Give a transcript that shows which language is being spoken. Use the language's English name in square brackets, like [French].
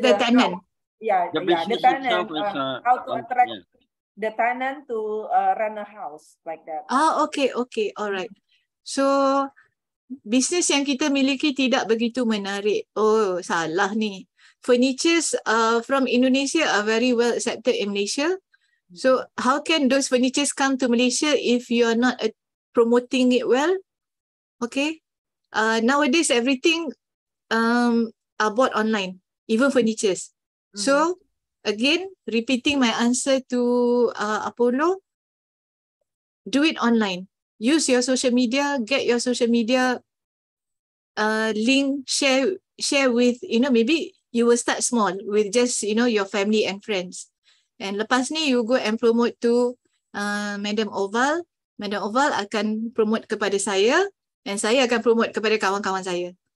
[English] No, it's not the landlord, it's the tenant. The tenant to rent a house like that. Okay, all right. [Malay] So business yang kita miliki tidak begitu menarik. Oh, salah ni. [English] Furnitures from Indonesia are very well accepted in Malaysia. So how can those furnitures come to Malaysia if you are not promoting it well? Okay. Nowadays, everything are bought online, even furnitures. Mm-hmm. So again, repeating my answer to Apollo, do it online. Use your social media, get your social media link, share with, you know, maybe you will start small with just, you know, your family and friends. And [Malay] lepas ni, [English] you go and promote to Madam Oval. [Malay] Madam Oval akan promote kepada saya. And saya akan promote kepada kawan-kawan saya.